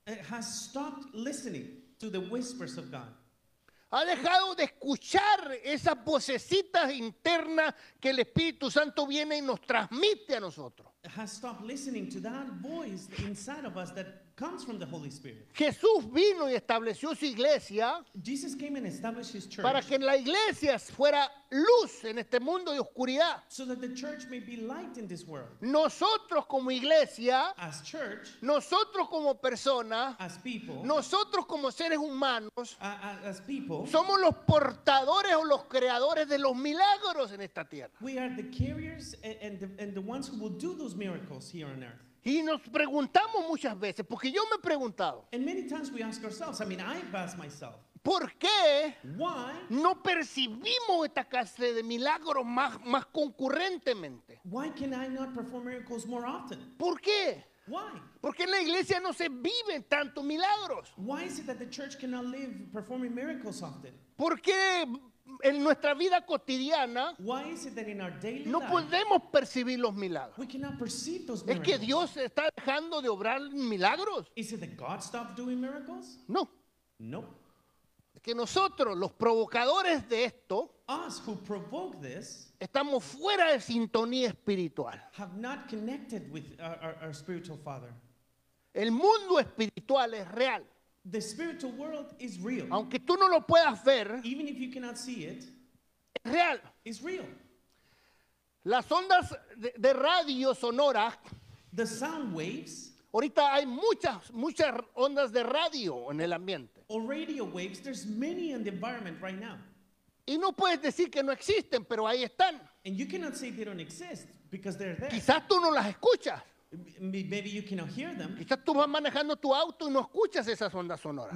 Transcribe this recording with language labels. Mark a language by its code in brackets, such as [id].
[en] Has stopped listening to the whispers of God. [es] Ha dejado de escuchar esas vocecitas internas que el Espíritu Santo viene y nos transmite a nosotros. [en] Has stopped listening to that voice inside of us that comes from the Holy Spirit. [es] Jesús vino y estableció su iglesia. [en] Jesus came and established his church. [es] Para que la iglesia fuera luz en este mundo de oscuridad. [en] So that the church may be light in this world. [es] Nosotros como iglesia. [en] As church. [es] Nosotros como personas. [en] As people. [es] Nosotros como seres humanos. [en] As people. [es] Somos los portadores o los creadores de los milagros en esta tierra. [en] We are the carriers and the ones who will do those miracles here on earth. [es] Y nos preguntamos muchas veces, porque yo me he preguntado. [en] And many times we ask ourselves, I mean, I've asked myself. [es] ¿Por qué? [en] Why? [es] No percibimos esta clase de milagros más concurrentemente. [en] Why can I not perform miracles more often? [es] ¿Por qué? [en] Why? [es] Porque en la iglesia no se viven tantos milagros. [en] Why is it that the church cannot live performing miracles often? [es] ¿Por qué? En nuestra vida cotidiana no podemos percibir los milagros. [en] We cannot perceive those [es] miracles. ¿Es que Dios está dejando de obrar milagros? [en] Is it that God stopped doing miracles? [es] No. [en] No. [es] Es que nosotros, los provocadores de esto, [en] us who provoke this, [es] estamos fuera de sintonía espiritual. [en] Have not connected with our spiritual father. [es] El mundo espiritual es real. [en] The spiritual world is real. [es] Aunque tú no lo puedas ver, [en] even if you cannot see it, [es] es real. [en] It's real. [es] Las ondas de radio sonoras, [en] the sound waves, [es] ahorita hay muchas ondas de radio en el ambiente. [en] Or radio waves, there's many in the environment right now. [es] Y no puedes decir que no existen, pero ahí están. [en] And you cannot say they don't exist because they're there. [es] Quizás tú no las escuchas. [en] Maybe you cannot hear them. [es] Quizás tú vas manejando tu auto y no escuchas esas ondas sonoras.